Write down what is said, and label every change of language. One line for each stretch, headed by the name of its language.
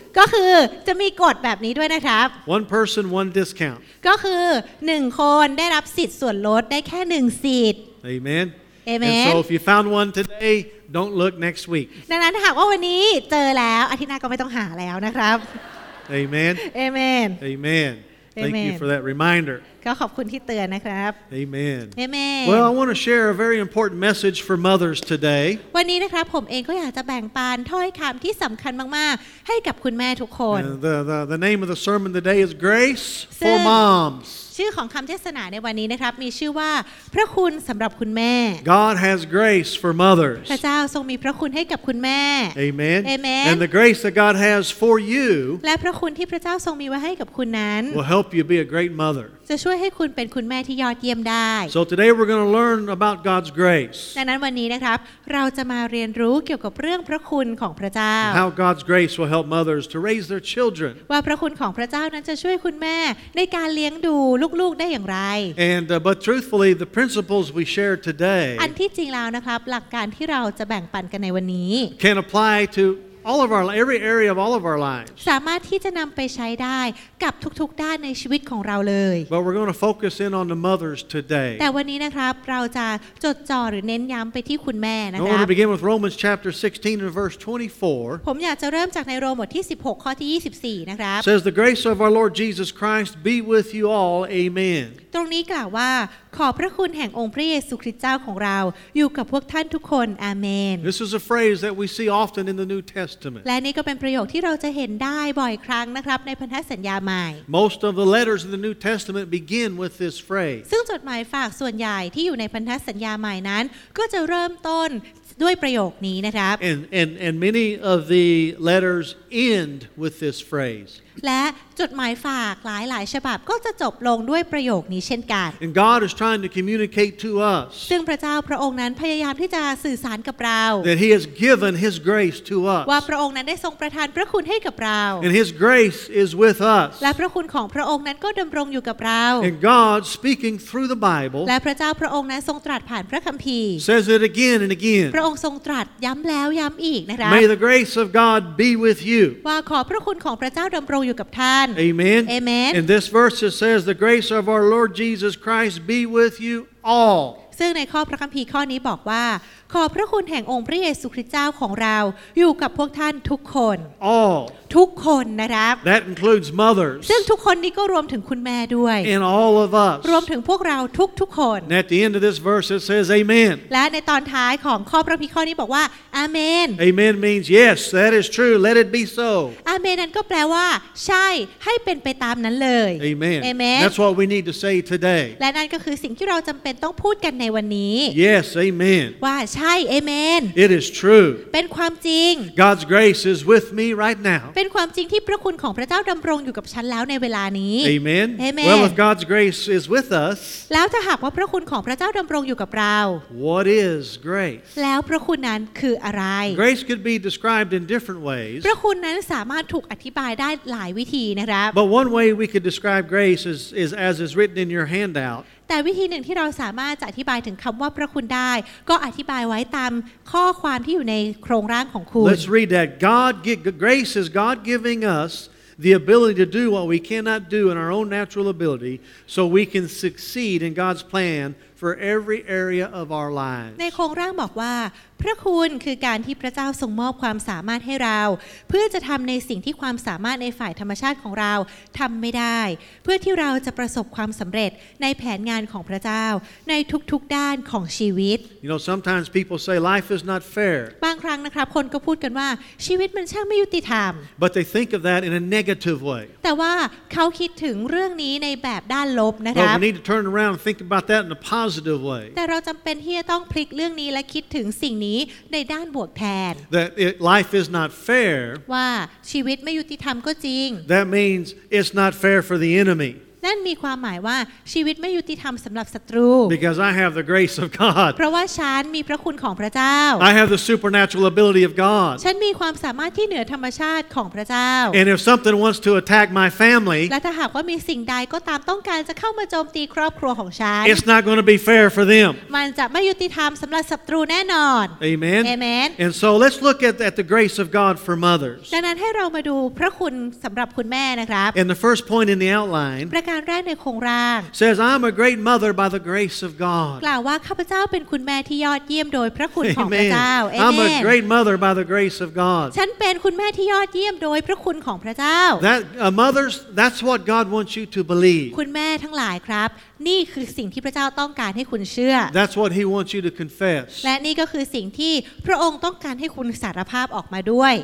Thai: ก็คือจะมีกฎแบบนี้ด้วยนะครับ
English: one person one discount
Thai: ก็คือ1คนได้รับสิทธิ์ส่วนลดได้แค่1สิทธิ์
English: amen amen and so if you found one today don't look next week
Thai: ดังนั้นหากว่าวันนี้เจอแล้วอาทิตย์หน้าก็ไม่ต้องหาแล้วนะครับ
English: amen amen amenThank Amen. you for that reminder.
Thai: ก็ขอบคุณที่เตือนนะครับ
English: Amen. Amen. Well, I want to share a very important message for mothers today.
Thai: วันนี้นะครับผมเองก็อยากจะแบ่งปันถ้อยคำที่สำคัญมากๆให้กับคุณแม่ทุกคน
English: The name of the sermon today is Grace for Moms.
Thai: ชื่อของคำเทศนาในวันนี้นะครับมีชื่อว่าพระคุณสำหรับคุณแม่
English: God has grace for mothers.
Thai: พระเจ้าทรงมีพระคุณให้กับคุณแม่
English: Amen. Amen. And the grace that God has for you.
Thai: และพระคุณที่พระเจ้าทรงมีไว้ให้กับคุณนั้น
English: Will help you be a great mother.
Thai: จะช่วยให้คุณเป็นคุณแม่ที่ยอดเยี่ยมได้
English: So today we're going to learn about God's grace
Thai: ดังนั้นวันนี้นะครับเราจะมาเรียนรู้เกี่ยวกับเรื่องพระคุณของพระเจ้า
English: How God's grace will help mothers to raise their children
Thai: ว่าพระคุณของพระเจ้านั้นจะช่วยคุณแม่ในการเลี้ยงดูลูกๆได้อย่างไร
English: And but truthfully the principles we share today
Thai: อันที่จริงแล้วนะครับหลักการที่เราจะแบ่งปันกันในวันนี้
English: Can apply toAll of our every area of all of our lives.
Thai: สามารถที่จะนำไปใช้ได้กับทุกๆด้านในชีวิตของเราเลย
English: But we're going to focus in on the mothers today.
Thai: แต่วันนี้นะครับเราจะจดจ่อหรือเน้นย้ำไปที่คุณแม่นะครับ
English: I want to begin with Romans chapter 16 and verse 24.
Thai: ผมอยากจะเริ่มจากในโรมบทที่16ข้อที่24นะครับ
English: Says the grace of our Lord Jesus Christ be with you all. Amen.
Thai: ตรงนี้กล่าวว่าขอพระคุณแห่งองค์พระเยซูคริสต์เจ้าของเราอยู่กับพวกท่านทุกคนอาเมน
English: This is a phrase that we see often in the New Testament
Thai: และนี่ก็เป็นประโยคที่เราจะเห็นได้บ่อยครั้งนะครับในพันธสัญญาใหม่
English: Most of the letters in the New Testament begin with this phrase
Thai: ซึ่งจดหมายฝากส่วนใหญ่ที่อยู่ในพันธสัญญาใหม่นั้นก็จะเริ่มต้นด้วยประโยคนี้นะครับ
English: and many of the letters end with this phrase
Thai: และจดหมายฝากหลายฉบับก็จะจบลงด้วยประโยคนี้เช่นกัน
English: and God is trying to communicate to us
Thai: ซึ่งพระเจ้าพระองค์นั้นพยายามที่จะสื่อสารกับเรา
English: that he has given his grace to us
Thai: ว่าพระองค์นั้นได้ทรงประทานพระคุณให้กับเรา
English: and his grace is with us
Thai: และพระคุณของพระองค์นั้นก็ดำรงอยู่กับเรา
English: and God speaking through the Bible
Thai: และพระเจ้าพระองค์นั้นทรงตรัสผ่านพระคัมภีร์
English: says it again and again
Thai: พระ องค์ทรงตรัสย้ำแล้วย้ำอีกนะคะ
English: May the grace of God be with you
Thai: ว่าขอพระคุณของพระเจ้าดำรงอยู่กับท่าน
English: Amen Amen And this verse it says the grace of our Lord Jesus Christ be with you all
Thai: ซึ่งในข้อพระคัมภีร์ข้อนี้บอกว่าขอพระคุณแห่งองค์พระเยซูคริสต์เจ้าของเราอยู่กับพวกท่านทุกคน
English: All
Thai: ทุกคนนะครับ
English: That includes mothers
Thai: ซึ่งทุกคนนี้ก็รวมถึงคุณแม่ด้วย
English: And all of us
Thai: รวมถึงพวกเราทุกคน
English: And at the end of this verse it says amen
Thai: และในตอนท้ายของข้อพระคัมภีร์ข้อนี้บอกว่า amen
English: Amen means yes that is true let it be so
Thai: amen นั้นก็แปลว่าใช่ให้เป็นไปตามนั้นเลย
English: amen. amen That's what we need to say today
Thai: และนั่นก็คือสิ่งที่เราจำเป็นต้องพูดกันในวันนี้
English: Yes amen
Thai: ว่าใช่ amen
English: It is true
Thai: เป็นความจริง
English: God's grace is with me right now
Thai: เป็นความจริงที่พระคุณของพระเจ้าดำรงอยู่กับฉันแล้วในเวลานี้
English: Amen Amen Well if God's grace is with us
Thai: แล้วถ้าหากว่าพระคุณของพระเจ้าดำรงอยู่กับเรา
English: What is grace
Thai: แล้วพระคุณนั้นคืออะไร
English: Grace could be described in different ways
Thai: พระคุณนั้นสามารถถูกอธิบายได้หลายวิธีนะครับ
English: But one way we could describe grace is as is written in your handout
Thai: แต่วิธีหนึ่งที่เราสามารถจะอธิบายถึงคำว่าพระคุณได้ก็อธิบายไว้ตามข้อความที่อยู่ในโครงร่างของคุณ
English: Let's read that God grace is God giving us the ability to do what we cannot do in our own natural ability so we can succeed in God's plan for every area of our lives
Thai: ในโครงร่างบอกว่าพระคุณคือการที่พระเจ้าทรงมอบความสามารถให้เราเพื่อจะทำในสิ่งที่ความสามารถในฝ่ายธรรมชาติของเราทำไม่ได้เพื่อที่เราจะประสบความสำเร็จในแผนงานของพระเจ้าในทุกๆด้านของชีวิต
English: You know sometimes people say life is not fair
Thai: บางครั้งนะครับคนก็พูดกันว่าชีวิตมันช่างไม่ยุติธรรม
English: But they think of that in a negative way
Thai: แต่ว่าเขาคิดถึงเรื่องนี้ในแบบด้านลบนะครับ
English: But we need to turn around and think about that in a positive way
Thai: แต่เราจำเป็นที่จะต้องพลิกเรื่องนี้และคิดถึงสิ่งนี้ในด้านบวกแทน
English: That it, life is not fair
Thai: ว่าชีวิตไม่ยุติธรรมก็จริง
English: That means it's not fair for the enemy
Thai: นั่นมีความหมายว่าชีวิตไม่ยุติธรรมสำหรับศัตรู
English: Because I have the grace of God
Thai: เพราะว่าฉันมีพระคุณของพระเจ้า
English: I have the supernatural ability of God
Thai: ฉันมีความสามารถที่เหนือธรรมชาติของพระเจ้า
English: And if something wants to attack my family
Thai: และถ้าหากว่ามีสิ่งใดก็ตามต้องการจะเข้ามาโจมตีครอบครัวของฉัน
English: It's not going to be fair for them
Thai: มันจะไม่ยุติธรรมสำหรับศัตรูแน่นอน
English: Amen Amen And so let's look at the grace of God for mothers
Thai: ดังนั้นให้เรามาดูพระคุณสำหรับคุณแม่นะครับ
English: And the first point in the outline
Thai: การแรกในโครงร่าง
English: says I'm a great mother by the grace of God
Thai: กล่าวว่าข้าพเจ้าเป็นคุณแม่ที่ยอดเยี่ยมโดยพระคุณของพระเจ้า
English: Amen I'm a great mother by the grace of God
Thai: ฉันเป็นคุณแม่ที่ยอดเยี่ยมโดยพระคุณของพระเจ้า
English: That mothers that's what God wants you to believe
Thai: คุณแม่ทั้งหลายครับนี่คือสิ่งที่พระเจ้าต้องการให้คุณเชื่อ
English: That's what he wants you to confess
Thai: และนี่ก็คือสิ่งที่พระองค์ต้องการให้คุณสารภาพออกมาด้วย